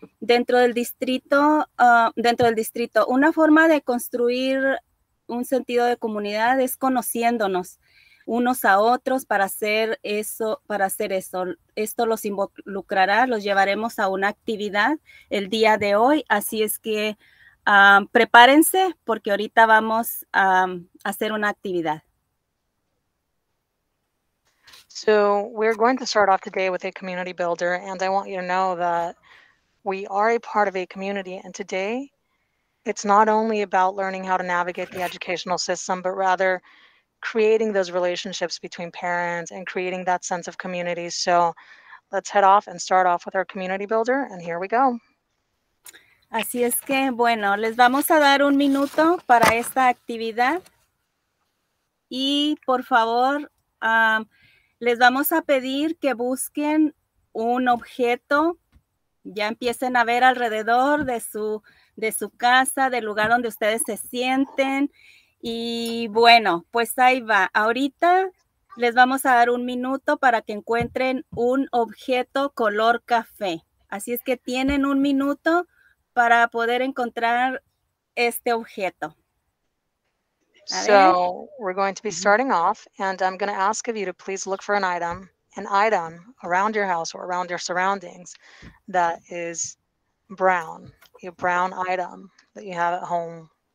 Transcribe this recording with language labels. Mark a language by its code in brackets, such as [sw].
[es] Dentro del distrito, una forma de construir un sentido de comunidad es conociéndonos unos a otros para hacer eso. Esto los involucrará, los llevaremos a una actividad el día de hoy. Así es que prepárense porque ahorita vamos a hacer una actividad. [en] So we're going to start off today with a community builder, and I want you to know that we are a part of a community, and today it's not only about learning how to navigate the educational system, but rather creating those relationships between parents and creating that sense of community. So let's head off and start off with our community builder, and here we go. [es] Así es que, bueno, les vamos a dar un minuto para esta actividad. Y por favor, les vamos a pedir que busquen un objeto. Ya empiecen a ver alrededor de su casa, del lugar donde ustedes se sienten. Y bueno, pues ahí va. Ahorita les vamos a dar un minuto para que encuentren un objeto color café. Así es que tienen un minuto para poder encontrar este objeto. [en] So we're going to be starting off, and I'm going to ask of you to please look for an item around your house or around your surroundings that is brown, a brown item that you have at home.